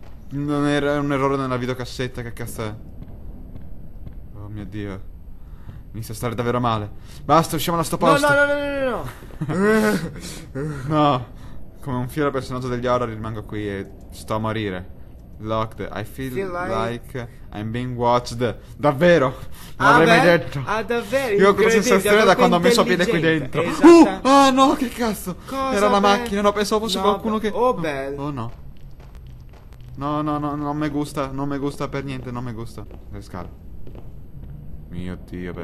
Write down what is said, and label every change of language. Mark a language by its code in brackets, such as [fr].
[it] Non era un errore nella videocassetta, che cazzo è? Oh mio Dio. Mi sta stare davvero male. Basta, usciamo da sto posto. No. No. Come un fiero personaggio degli horror rimango qui e sto a morire. [en] Locked. I feel like I'm being watched. [it] Davvero. Non l'avrei mai detto. Ah, davvero? Io ho questa sensazione da quando ho messo piede qui dentro. Esatto. Ah no, che cazzo. Cosa, era la macchina, no, pensavo fosse no, qualcuno che... Oh bel. Oh no. No, non mi gusta, non mi gusta per niente, non mi gusta. Le scale. Mio Dio, beh.